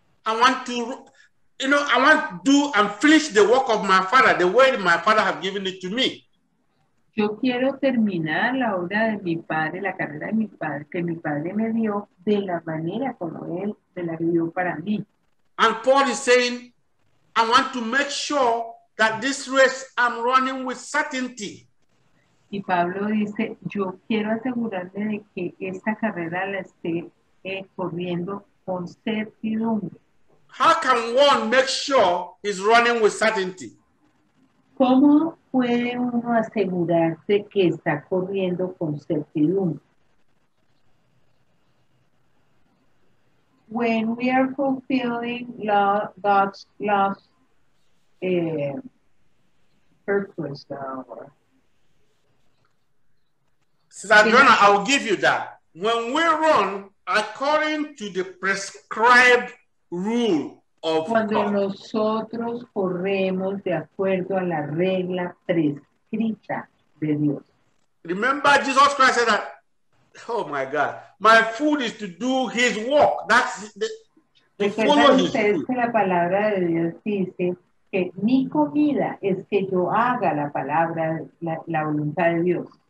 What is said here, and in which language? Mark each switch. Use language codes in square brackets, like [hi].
[en] I want to do and finish the work of my Father, the way my Father has given it to me. [es] Yo quiero terminar la obra de mi padre, la carrera de mi padre, que mi padre me dio de la manera como él me la dio para mí. [en] And Paul is saying, I want to make sure that this race I'm running with certainty. [es] Y Pablo dice, yo quiero asegurarme de que esta carrera la esté corriendo con certidumbre. [en] How can one make sure he's running with certainty? [es] ¿Cómo puede uno asegurarse que está corriendo con certidumbre? [en] When we are fulfilling God's love purpose. Sister Adriana, I will give you that. When we run according to the prescribed rule of [es] cuando [en] God. [es] Nosotros corremos de acuerdo a la regla prescrita de Dios. [en] Remember Jesus Christ said that, oh my God, my food is to do his work. That's the follow his food. [es] Que la palabra de Dios dice que mi comida es que yo haga la palabra, la voluntad de Dios.